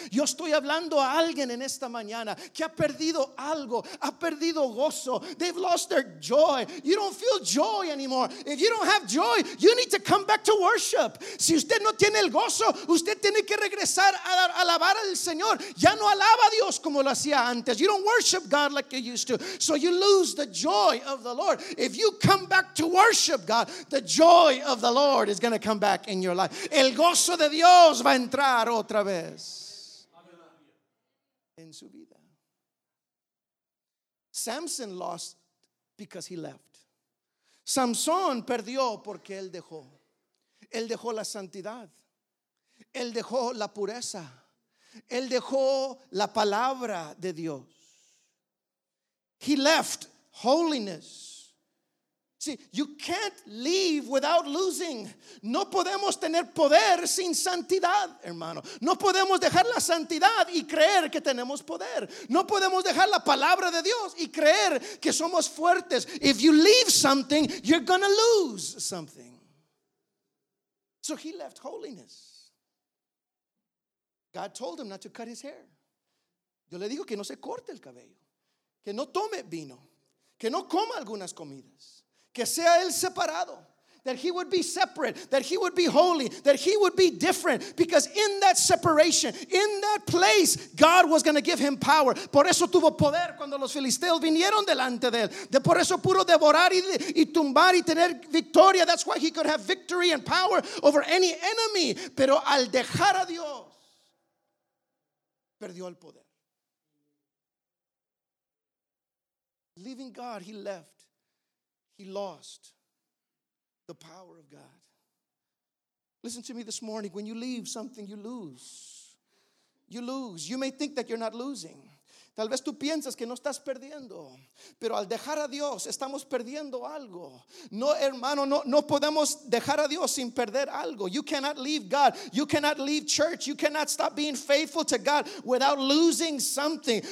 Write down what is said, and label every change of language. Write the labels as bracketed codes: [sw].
[es] Yo estoy hablando a alguien en esta mañana que ha perdido algo, ha perdido gozo. [en] They've lost their joy. You don't feel joy anymore. If you don't have joy, you need to come back to worship. [es] Si usted no tiene el gozo, usted tiene que regresar a alabar al Señor. Ya no alaba a Dios como lo hacía antes. [en] You don't worship God like you used to. So you lose the joy of the Lord. If you come back to worship God, the joy of the Lord is going to come back in your life. [es] El gozo de Dios va a entrar otra vez en su vida. [en] Samson lost because he left. [es] Samson perdió porque él dejó. Él dejó la santidad. Él dejó la pureza. Él dejó la palabra de Dios. [en] He left holiness. See, you can't leave without losing. [es] No podemos tener poder sin santidad, hermano. No podemos dejar la santidad y creer que tenemos poder. No podemos dejar la palabra de Dios y creer que somos fuertes. [en] If you leave something, you're going to lose something. So he left holiness. God told him not to cut his hair. [es] Yo le digo que no se corte el cabello, que no tome vino, que no coma algunas comidas. Que sea él separado, [en] that he would be separate, that he would be holy, that he would be different. Because in that separation, in that place, God was going to give him power. [es] Por eso tuvo poder cuando los filisteos vinieron delante de él. De por eso pudo devorar y tumbar y tener victoria. [en] That's why he could have victory and power over any enemy. [es] Pero al dejar a Dios, perdió el poder. [en] Leaving God, he left. He lost the power of God. Listen to me this morning. When you leave something, you lose. You lose. You may think that you're not losing. [es] Tal vez tú piensas que no estás perdiendo, pero al dejar a Dios estamos perdiendo algo. No, hermano, no podemos dejar a Dios sin perder algo. [en] You cannot leave God. You cannot leave church. You cannot stop being faithful to God without losing something.